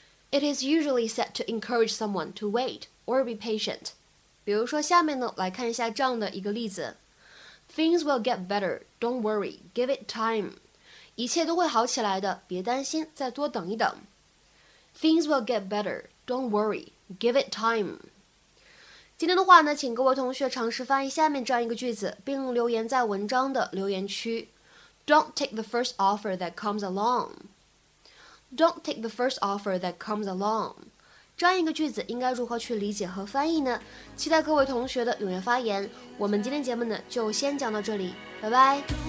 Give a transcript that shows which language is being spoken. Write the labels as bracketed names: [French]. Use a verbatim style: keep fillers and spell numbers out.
[English] It is usually said to encourage someone to wait or be patient. [Chinese] 比如说下面呢，来看一下这样的一个例子 ： [English] Things will get better. Don't worry. Give it time. [Chinese] 一切都会好起来的，别担心，再多等一等。 [English] Things will get better. Don't worry. Give it time. [Chinese] 今天的话呢，请各位同学尝试翻译下面这样一个句子，并留言在文章的留言区。 [English] Don't take the first offer that comes along. Don't take the first offer that comes along. [Chinese] 这样一个句子应该如何去理解和翻译呢？期待各位同学的踊跃发言。我们今天节目呢就先讲到这里，拜拜。